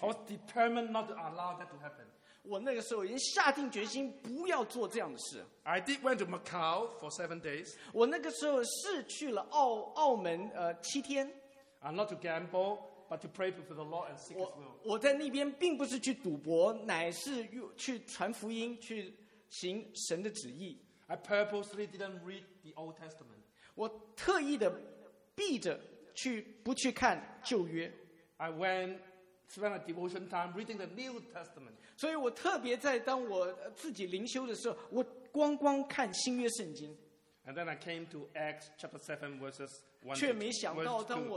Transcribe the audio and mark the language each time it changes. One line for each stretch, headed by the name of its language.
English: I was determined not to allow that to happen.
Chinese: 我那个时候已经下定决心不要做这样的事。
English: I did went to Macau for 7 days.
Chinese: 我那个时候是去了澳门7天。
English: And not to gamble, but to pray before the Lord and seek His will.
Chinese: 我在那边并不是去赌博，乃是去传福音，去行神的旨意。
English: I purposely didn't read the Old Testament.
Chinese: 我特意的避着去不去看旧约。
English: I went spend a devotion time reading the New Testament.
Chinese: 所以我特别在当我自己灵修的时候，我光看新约圣经。
English: And then I came to Acts chapter 7 verses 1 to 2.